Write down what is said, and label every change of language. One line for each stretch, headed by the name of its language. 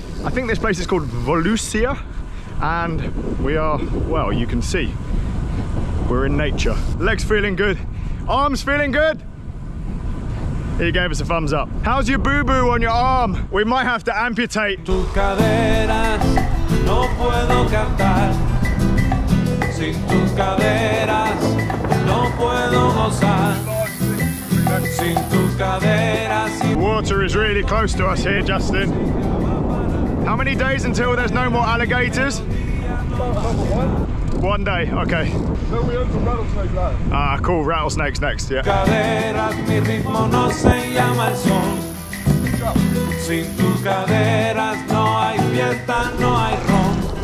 English: I think this place is called Volusia, and we are, well, you can see, we're in nature. Legs feeling good, arms feeling good. He gave us a thumbs up. How's your boo-boo on your arm? We might have to amputate.
Spanish: Tu cadera. No puedo cantar sin tus caderas, no puedo gozar sin tus caderas.
English: Water is really close to us here, Justin. How many days until there's no more alligators? One day, okay. Then we own some rattlesnakes later. Ah, cool, rattlesnakes next, yeah.
Spanish: Caderas, mi ritmo no se llama el son. Sin tus caderas no hay fiesta, no hay ron.